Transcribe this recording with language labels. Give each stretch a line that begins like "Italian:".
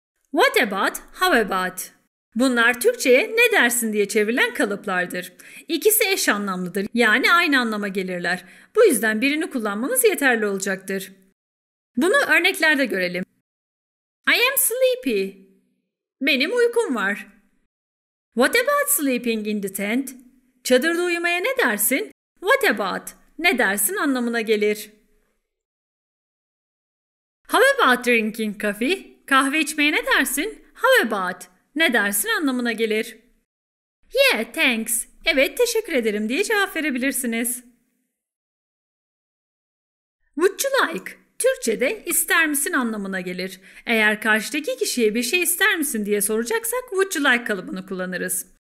English: What about, how about?
Turkish: Bunlar Türkçe'ye ne dersin diye çevrilen kalıplardır. İkisi eş anlamlıdır, yani aynı anlama gelirler. Bu yüzden birini kullanmanız yeterli olacaktır. Bunu örneklerde görelim.
English: I am sleepy.
Turkish: Benim uykum var.
English: What about sleeping in the tent?
Turkish: Çadırda uyumaya ne dersin?
English: What about,
Turkish: ne dersin anlamına gelir.
English: How about drinking coffee?
Turkish: Kahve içmeye ne dersin?
English: How about,
Turkish: ne dersin anlamına gelir.
English: Yeah, thanks.
Turkish: Evet, teşekkür ederim diye cevap verebilirsiniz.
English: Would you like?
Turkish: Türkçe'de ister misin anlamına gelir. Eğer karşıdaki kişiye bir şey ister misin diye soracaksak
English: would you like
Turkish: kalıbını kullanırız.